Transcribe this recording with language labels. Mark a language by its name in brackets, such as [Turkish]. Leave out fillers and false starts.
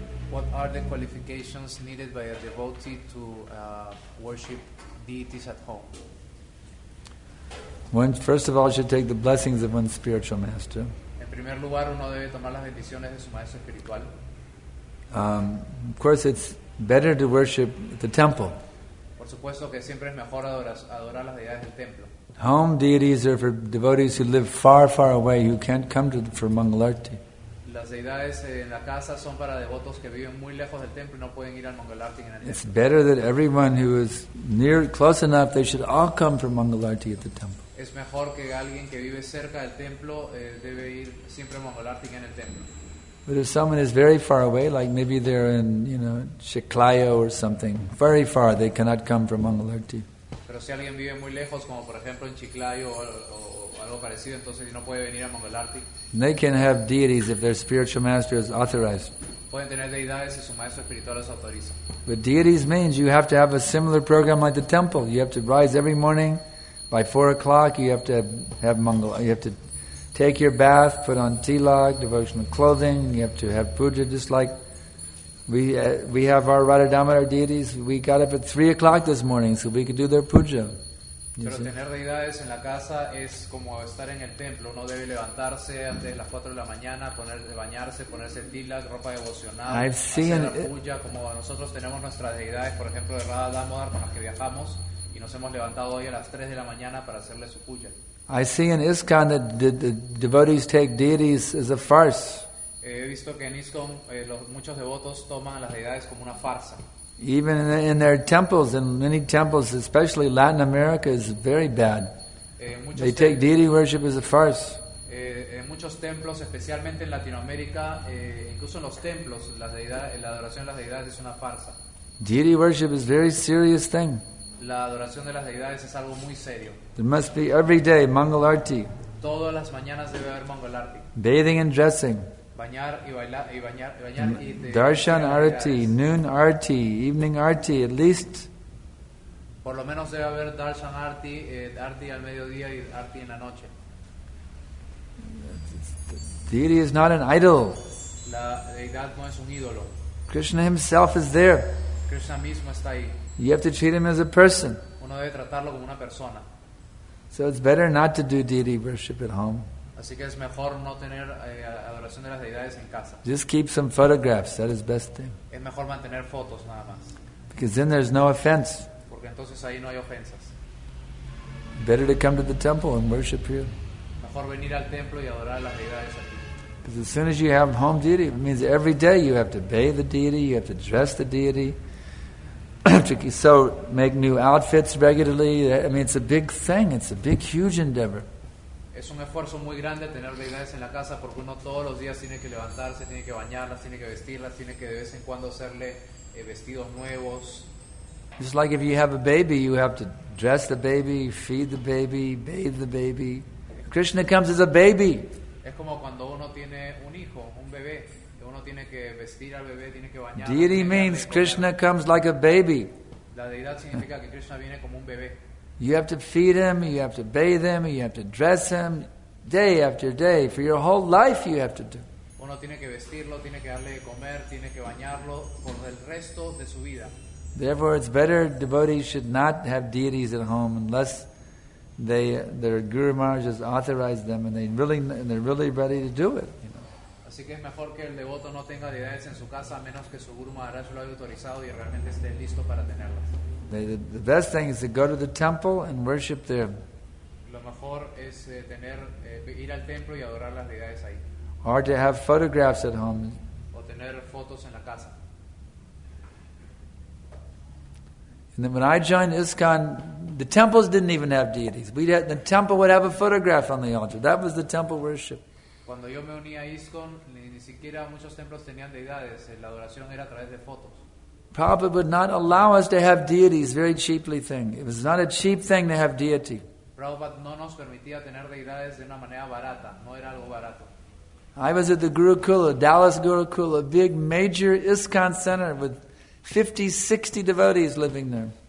[English] What are the qualifications needed by a devotee to worship deities at home? One, first of all, should take the blessings of one's spiritual master. [Spanish] En primer lugar, uno debe tomar las bendiciones de su maestro espiritual. [English] Of course, it's better to worship the temple. [Spanish] Por supuesto que siempre es mejor adorar las deidades del templo. [English] Home deities are for devotees who live far, far away, who can't come to for Mangalarti. [Spanish] Las deidades en la casa son para devotos que viven muy lejos del templo y no pueden ir al Mangalarti en el templo. [English] It's better that everyone who is near, close enough, they should all come for Mangalarti at the temple. [Spanish] Es mejor que alguien que vive cerca del templo debe ir siempre a Mangalarti en el templo. [English] But if someone is very far away, like maybe they're in, you know, Chiclayo or something, very far, they cannot come for Mangalarti. [Spanish] Pero si alguien vive muy lejos, como por ejemplo en Chiclayo o algo parecido, entonces no puede venir a Mangalarti. [English] They can have deities if their spiritual master is authorized. [Spanish] Pueden tener deidades si su maestro espiritual los autoriza. [English] But deities means you have to have a similar program like the temple. You have to rise every morning. By 4 o'clock, you have to have mangal. You have to take your bath, put on tilak, devotional clothing. You have to have puja, just like we have our Radha-Damodar deities. We got up at 3 o'clock this morning, so we could do their puja. Pero see? [Spanish] Tener deidades en la casa es como estar en el templo. Uno debe levantarse antes de las 4 de la mañana, bañarse, ponerse tilak, ropa devocional, hacer la puja. Como nosotros tenemos nuestras deidades, por ejemplo, de Radha-Damodar con las que viajamos. Nos hemos levantado hoy a las 3 de la mañana para hacerle su puya. [English] I see in ISKCON that the devotees take deities as a farce. [Spanish] He visto que en ISKCON muchos devotos toman las deidades como una farsa. [English] Even in their temples, in many temples, especially Latin America, is very bad. They take deity worship as a farce. [Spanish] En muchos templos, especialmente en Latinoamérica, incluso en los templos, la adoración a las deidades es una farsa. [English] Deity worship is a very serious thing. [Spanish] La adoración de las deidades es algo muy serio. [English] There must be every day Mangalarti. [Spanish] Todas las mañanas debe haber Mangalarti. [English] Bathing and dressing. [Spanish] Bañar y bailar. [English] Darshan arati, noon arati, evening arati, at least. [Spanish] Por lo menos debe haber darshan arati, arati al mediodía y arati en la noche. [English] Deity is not an idol. [Spanish] La deidad no es un ídolo. [English] Krishna himself is there. [Spanish] Krishna mismo está ahí. [English] You have to treat him as a person. [Spanish] Uno debe tratarlo como una persona. [English] So it's better not to do deity worship at home. [Spanish] Así que es mejor no tener adoración de las deidades en casa. [English] Just keep some photographs. That is best thing. [Spanish] Es mejor mantener fotos nada más. [English] Because then there's no offense. [Spanish] Porque entonces ahí no hay ofensas. [English] Better to come to the temple and worship here. [Spanish] Mejor venir al templo y adorar a las deidades aquí. [English] Because as soon as you have home deity, it means every day you have to bathe the deity, you have to dress the deity, so make new outfits regularly. I mean, it's a big thing. It's a big, huge endeavor. [Spanish] Es un esfuerzo muy grande tener deidades en la casa porque uno todos los días tiene que levantarse, tiene que bañarlas, tiene que vestirlas, tiene que de vez en cuando hacerle vestidos nuevos. [English] Just like if you have a baby, you have to dress the baby, feed the baby, bathe the baby. Krishna comes as a baby. [Spanish] Es como cuando uno tiene un hijo, un bebé, que uno tiene que vestir al bebé, tiene que bañar. [English] Deity means Krishna comes like a baby. [Spanish] La deidad significa que Krishna viene como un bebé. [English] You have to feed him, you have to bathe him, you have to dress him day after day. For your whole life you have to do. [Spanish] Uno tiene que vestirlo, tiene que darle de comer, tiene que bañarlo por el resto de su vida. [English] Therefore, it's better devotees should not have deities at home unless their Guru Maharaj has authorized them and they're really ready to do it. You know. [Spanish] Así que es mejor que el devoto no tenga deidades en su casa a menos que su Guru Maharaj lo haya autorizado y realmente esté listo para tenerlas. [English] The best thing is to go to the temple and worship there. [Spanish] Lo mejor es ir al templo y adorar las deidades ahí. [English] Or to have photographs at home. [Spanish] O tener fotos en la casa. [English] And then when I joined ISKCON, the temples didn't even have deities. The temple would have a photograph on the altar. That was the temple worship. [Spanish] Cuando yo me uní a ISKCON, ni siquiera muchos templos tenían deidades. La adoración era a través de fotos. [English] Prabhupada would not allow us to have deities, very cheaply thing. It was not a cheap thing to have deity. [Spanish] Prabhupada no nos permitía tener deidades de una manera barata. No era algo barato. [English] I was at the Gurukula, Dallas Gurukula, a big major ISKCON center with 50, 60 devotees living there.